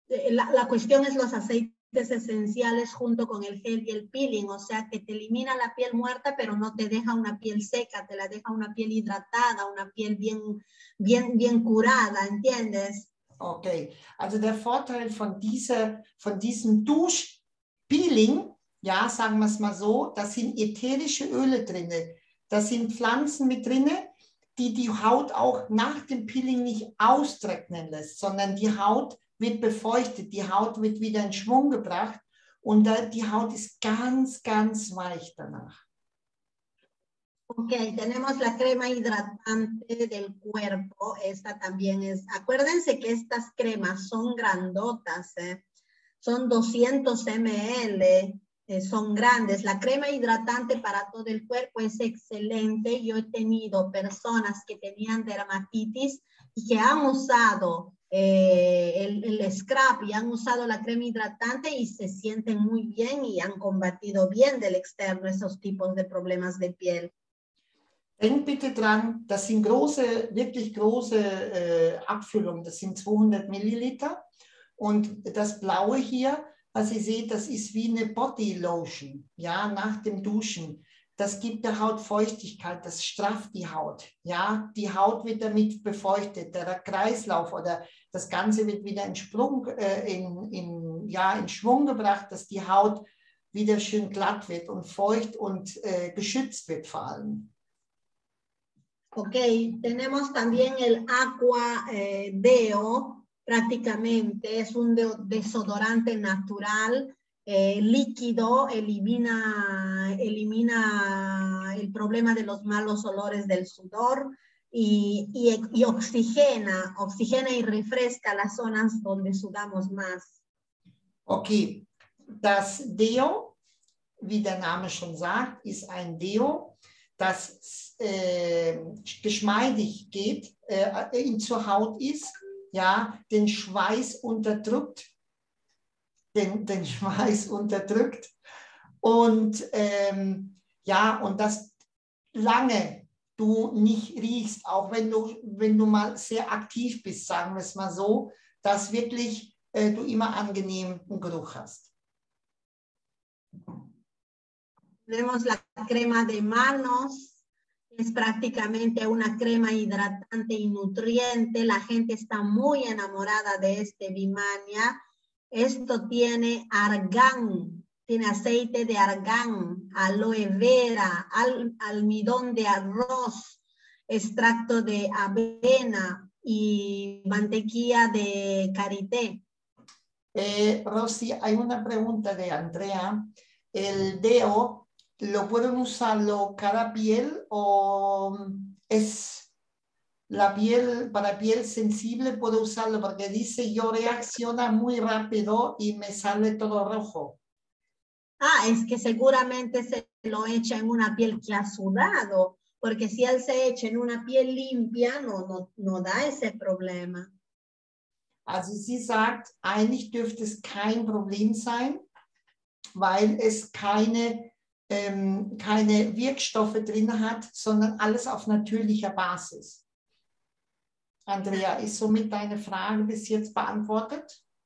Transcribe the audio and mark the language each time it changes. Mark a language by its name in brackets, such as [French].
[Spanish] La cuestión es los aceites esenciales junto con el gel y el peeling, o sea que te elimina la piel muerta, pero no te deja una piel seca, te la deja una piel hidratada, una piel bien curada, ¿entiendes? [German] Ok, also der Vorteil von diesem Duschpeeling, ja, sagen wir es mal so, da sind ätherische Öle drin, da sind Pflanzen mit drin, die Haut auch nach dem Peeling nicht austrocknen lässt, sondern die Haut wird befeuchtet, die Haut wird wieder in Schwung gebracht und die Haut ist ganz, ganz weich danach. [Spanish] Ok, tenemos la crema hidratante del cuerpo. Esta también es. Acuérdense que estas cremas son grandotas, son 200 ml, son grandes. La crema hidratante para todo el cuerpo es excelente. Yo he tenido personas que tenían dermatitis y que han usado el scrub y han usado la crema hidratante y se sienten muy bien y han combatido bien del externo esos tipos de problemas de piel. [German] Denk bitte dran, das sind große, wirklich große Abfüllungen, das sind 200 Milliliter und das Blaue hier, was ihr seht, das ist wie eine Body Lotion, ja, nach dem Duschen. Das gibt der Haut Feuchtigkeit, das strafft die Haut, ja, die Haut wird damit befeuchtet, der Kreislauf oder das Ganze wird wieder in Schwung gebracht, dass die Haut wieder schön glatt wird und feucht und geschützt wird vor allem. [Spanish] Ok, tenemos también el Aqua Deo, prácticamente es un desodorante natural, líquido, elimina el problema de los malos olores del sudor y oxigena y refresca las zonas donde sudamos más. [German] Ok, das Deo, wie der Name schon sagt, ist ein Deo, das geschmeidig geht, in zur Haut ist, ja, den Schweiß unterdrückt, den Schweiß unterdrückt und ja, und das lange du nicht riechst, auch wenn du mal sehr aktiv bist, sagen wir es mal so, dass wirklich du immer angenehmen Geruch hast. [Spanish] Tenemos la crema de manos, es prácticamente una crema hidratante y nutriente. La gente está muy enamorada de este Vimania. Esto tiene argán, tiene aceite de argán, aloe vera, almidón de arroz, extracto de avena y mantequilla de karité. Rosy, hay una pregunta de Andrea. El Deo, ¿lo pueden usarlo cada piel o es la piel, para piel sensible puedo usarlo? Porque dice yo reacciona muy rápido y me sale todo rojo. Ah, es que seguramente se lo echa en una piel que ha sudado, porque si él se echa en una piel limpia, no da ese problema. [German] Also sie sagt, eigentlich dürfte es kein Problem sein, weil es keine Wirkstoffe drin hat, sondern alles auf natürlicher Basis. Andrea, ist somit deine Frage bis jetzt beantwortet?